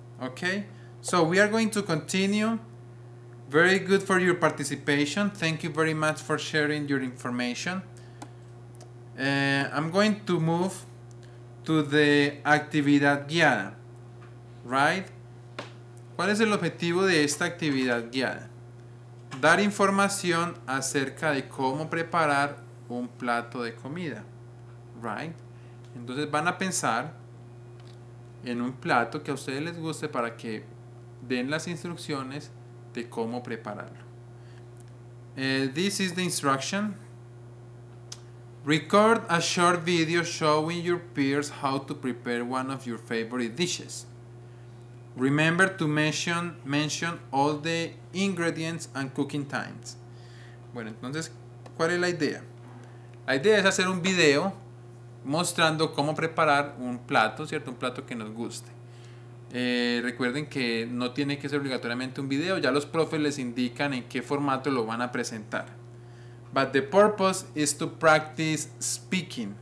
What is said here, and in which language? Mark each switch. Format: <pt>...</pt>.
<en>Okay, so we are going to continue. Very good for your participation. Thank you very much for sharing your information. I'm going to move to the actividad guiada, right?</en> <es>¿Cuál es el objetivo de esta actividad guiada? Dar información acerca de cómo preparar un plato de comida,</es> <en>right?</en> <es>Entonces van a pensar en un plato que a ustedes les guste para que den las instrucciones de cómo prepararlo.</es> <en>This is the instruction. Record a short video showing your peers how to prepare one of your favorite dishes. Remember to mention all the ingredients and cooking times.</en> <es>Bueno, entonces, ¿cuál es la idea? La idea es hacer un video mostrando cómo preparar un plato, ¿cierto? Un plato que nos guste. Recuerden que no tiene que ser obligatoriamente un video, ya los profes les indican en qué formato lo van a presentar.</es> <en>But the purpose is to practice speaking.</en>